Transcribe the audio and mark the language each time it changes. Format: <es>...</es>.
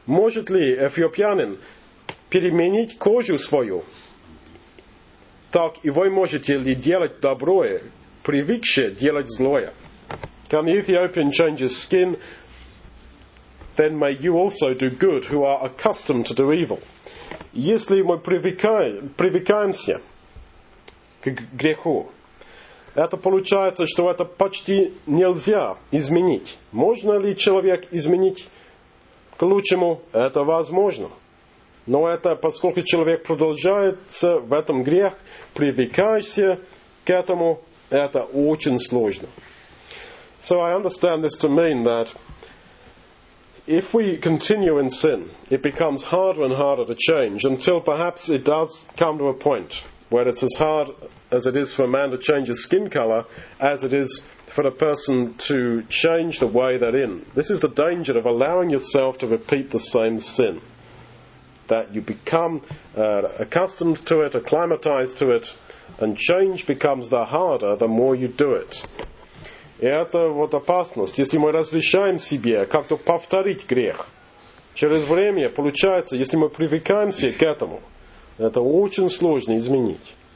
<ru>Может ли эфиопьянин переменить кожу свою? Так и вы можете ли делать доброе, привыкшее делать злое?</ru> <en>Can the Ethiopian change his skin? Then may you also do good who are accustomed to do evil.</en> <ru>Если мы привыкаемся к греху, это получается, что это почти нельзя изменить. Можно ли человек изменить к лучшему? Это возможно. Но это, поскольку человек продолжается в этом грех, привыкаешься к этому, это очень сложно.</ru> <en>So I understand this to mean that if we continue in sin, it becomes harder and harder to change until perhaps it does come to a point where it's as hard as it is for a man to change his skin color as it is for a person to change the way they're in. This is the danger of allowing yourself to repeat the same sin, that you become accustomed to it, acclimatized to it, And change becomes the harder the more you do it.</en> <ru>И это вот опасность. Если мы разрешаем себе как-то повторить грех, через время получается, если мы привыкаемся к этому, это очень сложно изменить.</ru>